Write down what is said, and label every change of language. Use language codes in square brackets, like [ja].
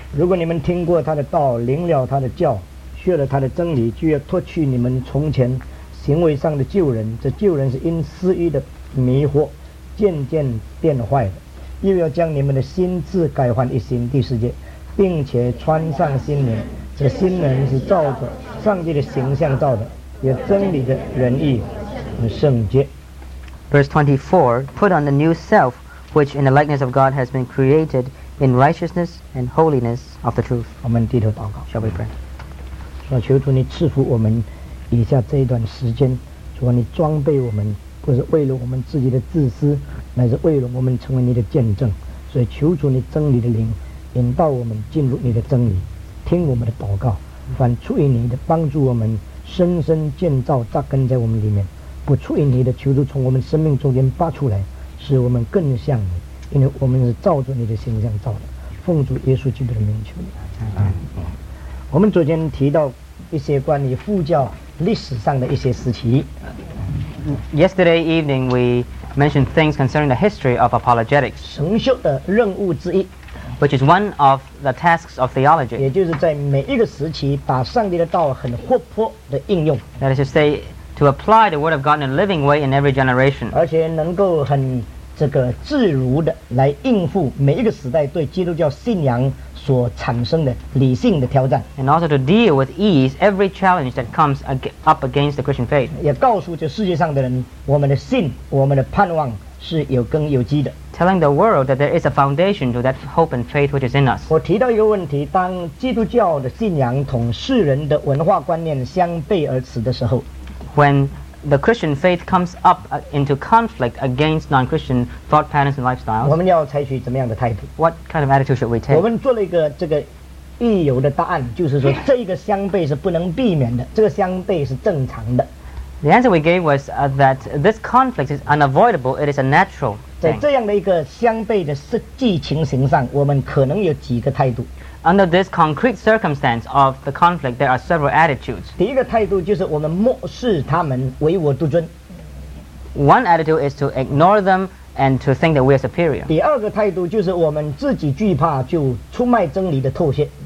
[zh] 如果你们听过他的道，领了他的教，学了他的真理，就要脱去你们从前行为上的旧人，这旧人是因私欲的迷惑渐渐变坏的，又要将你们的心智改换一新。第四节，并且穿上新人，这新人是照着上帝的形象造的，也真理的仁义圣洁。 [en] Verse 24, put on the new self, which in the likeness of God has been created in righteousness and holiness of the truth. [zh] 我们低头祷告。 [en] Shall we pray? [zh] 说求主你赐福我们以下这一段时间，主啊，你装备我们，不是为了我们自己的自私，乃是为了我们成为你的见证。所以求主你真理的灵引导我们进入你的真理，听我们的祷告，凡出于你的帮助我们深深建造扎根在我们里面，不出于你的求主从我们生命中间发出来，使我们更像你，因为我们是照着你的形象造的。奉主耶稣基督的名求你。我们昨天提到一些关于父教历史上的一些时期。 [en] Yesterday evening, we mentioned things concerning the history of apologetics. [zh] 神学的任务之一。 [en] Which is one of the tasks of theology. [zh] 也就是在每一个时期把上帝的道很活泼的应用。 [en] That is to say, to apply the word of God in a living way in every generation. [zh] 而且能够很这个自如的来应付每一个时代对基督教信仰所产生的理性的挑战。 [en] And also to deal with ease every challenge that comes up against the Christian faith. [zh] 也告诉这世界上的人，我们的信，我们的盼望是有根有基的。 [en] Telling the world that there is a foundation to that hope and faith which is in us. [zh] 我提到一个问题，当基督教的信仰同世人的文化观念相背而驰的时候。 [en] When the Christian faith comes up into conflict against non-Christian thought patterns and lifestyles, [zh] 我们要采取怎么样的态度？ [en] What kind of attitude should we take? [zh] 我们做了一个这个预由的答案，就是说这个相悖是不能避免的，这个相悖是正常的。 [en] The answer we gave was that this conflict is unavoidable, it is a natural thing. [zh] 在这样的一个相悖的实际情形上，我们可能有几个态度。 [en] Under this concrete circumstance of the conflict, there are several attitudes. [zh] 第一个态度就是我们漠视他们，唯我独尊。 [en] One attitude is to ignore them and to think that we are superior. [zh] 第二个态度就是我们自己惧怕，就出卖真理的妥协。